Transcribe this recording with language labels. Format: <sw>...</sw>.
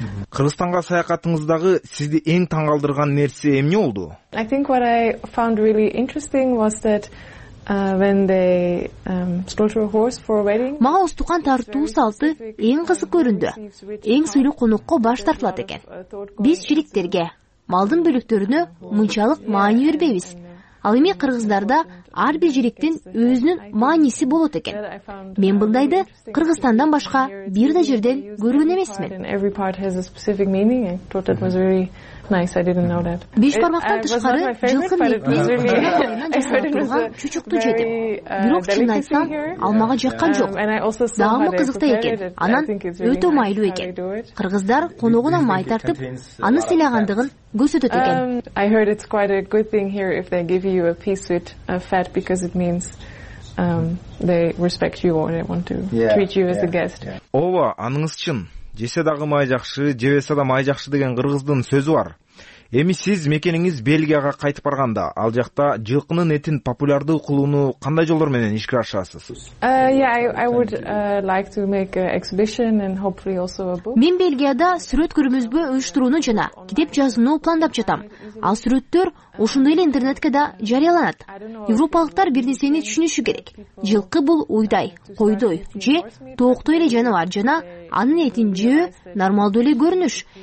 <ky>Кыргызстанга саякатыңыздагы сизди эң таң калдырган нерсе эмне болду?</ky> <en>I think what I found really interesting was that when they structure horse for a wedding.</en> <ky>Мага устукан тартуу салты эң кызык көрүндү. Эң сүйлүк конукко баш тартылат экен. Биз жиликтерге, малдын бөлүктөрүнө мынчалык маани бербейбиз. Ал эми кыргыздарда ар бир жиликтин өзүнүн мааниси болот экен. Мен мындайды Кыргызстандан башка бир да жерден көргөн эмесмин.</ky> <en>Every part has a specific meaning. I thought that was really nice. I didn't know that.</en> <ky>Беш бармактан тышкары жылкы мээнен чучукту жедим. Бирок чын айтсам, ал мага жаккан жок. Дагы кызыктуу экен. Анан өтө майлуу экен. Кыргыздар коногуна май тартып, аны сыйлагандыгын көрсөтөт экен.</ky> <en>I heard it's quite a good thing here if they give you a piece with fat because it means they respect you or they want to treat you as a guest.</en> <ky>Ооба, аныңыз чын. Жесе дагы май жакшы, жебесе да май жакшы деген кыргыздын сөзү бар. Эми сиз мекениңиз Бельгияга кайтып барганда, ал жакта жылкынын этин популярдуу кылууну кандай жолдор менен ишке ашырасыз?</ky> <en>I would like to make an exhibition and hopefully also a book.</en> <ky>Мен Бельгияда сүрөт көрмөсү уюштурууну жана китеп жазууну пландап жатам. Ал сүрөттөр ошондой эле интернетке да жарыяланат. Европалыктар бир нерсени түшүнүшү керек. Жылкы бул уйдай, койдой же тооктой эле жаныбар жана анын этин жөө нормалдуу эле көрүнүш.</ky>